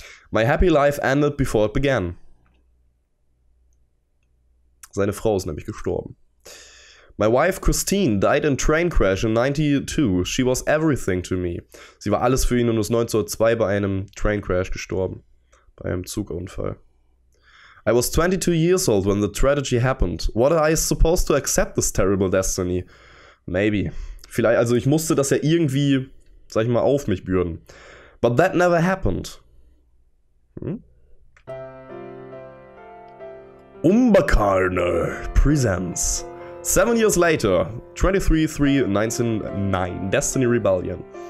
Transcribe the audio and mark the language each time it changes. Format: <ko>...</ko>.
<en>My happy life ended before it began.</en> <de>Seine Frau ist nämlich gestorben.</de> <en>My wife Christine died in train crash in 92. She was everything to me.</en> <de>Sie war alles für ihn und ist 1902 bei einem</de> <en>train crash</en> <de>gestorben. Bei einem Zugunfall.</de> <en>I was 22 years old when the tragedy happened. What am I supposed to accept this terrible destiny? Maybe.</en> <de>Vielleicht, also ich musste das ja irgendwie, sag ich mal, auf mich bürden.</de> <en>But that never happened. Hm? Umbakarne presents. 7 years later, 23/3/1909, Destiny Rebellion.</en>